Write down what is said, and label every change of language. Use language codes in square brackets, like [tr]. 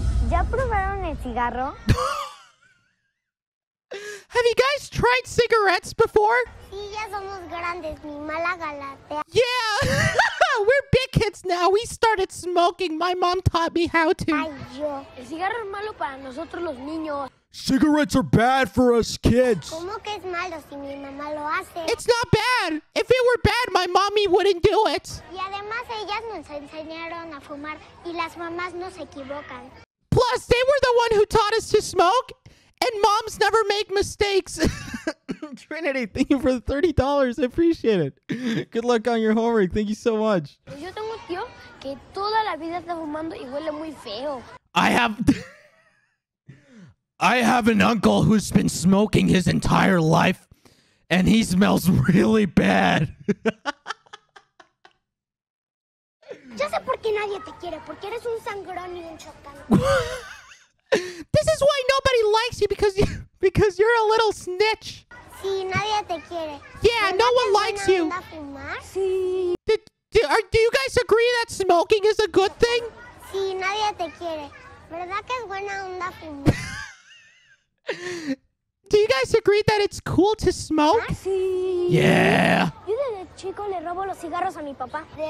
[es] ¿Ya probaron el cigarro? [en] Have you guys tried cigarettes before? [es] Sí, ya somos grandes, mi mala galatea. [en] Yeah. We're big kids now. We started smoking. My mom taught me how to. [es] Ay, yo. El cigarro es malo para nosotros los niños. [en] Cigarettes are bad for us kids. [es] ¿Cómo que es malo si mi mamá lo hace? [en] It's not bad. If it were bad, my mommy wouldn't do it. [es] Y además ellas nos enseñaron a fumar y las mamás no se equivocan. [en] Plus, they were the one who taught us to smoke. And moms never make mistakes. Trinity, thank you for the $30. I appreciate it. Good luck on your homework. Thank you so much. [es] Yo tengo un tío que toda la vida está fumando y huele muy feo. [en] I have an uncle who's been smoking his entire life, and he smells really bad. [es] Ya sé por qué nadie te quiere, porque eres un sangrón y un chocante. [en] This is why nobody likes you, because you're a little snitch. [es] Sí, nadie te quiere. [en] Yeah, no one likes you. [es] Sí. [en] Do you guys agree that smoking is a good thing? [es] Sí, nadie te quiere. ¿Verdad que es buena onda fumar? [en] Do you guys agree that it's cool to smoke? [es] Sí. [en] Yeah. [es] Yo desde chico le robo los cigarros a mi papá.